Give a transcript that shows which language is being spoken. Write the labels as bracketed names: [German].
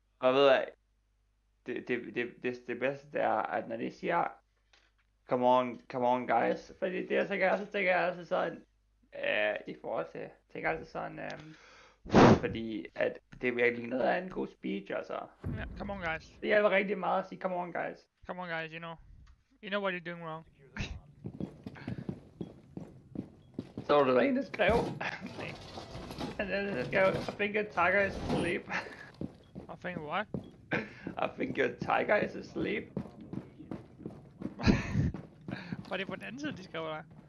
[Danish] Og ved jeg, det bedste det er, at når de siger, [English] come on, guys, [Danish] fordi det er så gør, så tænker jeg altså sådan, i forhold til, tænker altså sådan, fordi at det er virkelig noget af en god speech, altså. [English] Ja, come on guys. [Danish] Det hjælper rigtig meget at sige, [English] come on guys. Come on guys, you know what you're doing wrong. [Danish] Så var det der en, der skrev. [English] I think your tiger is asleep. I think what? I think your tiger is asleep. [Danish] Var det på den anden side, de skrev dig?